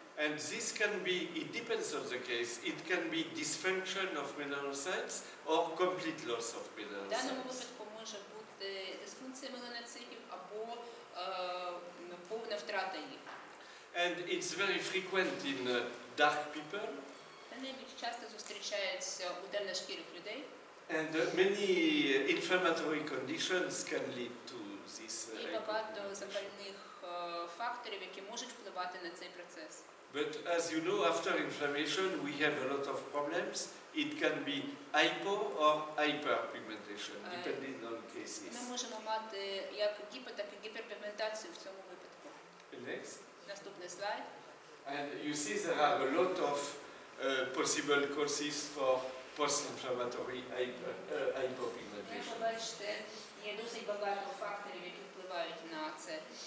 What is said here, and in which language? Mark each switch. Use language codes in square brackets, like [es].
[en] And this can be, it depends on the case, it can be dysfunction of melanocytes or complete loss of melanocytes. [uk] В даному випадку може бути дисфункція меланоцитів або повна втрата їх. [en] And it's very frequent in dark people. [uk] Найбільш часто зустрічається у темношкірих людей. [en] And many inflammatory conditions can lead to this. [uk] І багато запальних факторів, які можуть впливати на цей процес. [en] But as you know, after inflammation we have a lot of problems. It can be hypo or hyperpigmentation, depending on cases. [uk] Ми можемо мати як гіпо, так і гіперпігментацію в цьому випадку. [en] Next. [uk] Наступний слайд. [en] And you see there are a lot of possible causes for post-inflammatory hypopigmentation. [uk] Бачите, є досить багато факторів, які впливають на це.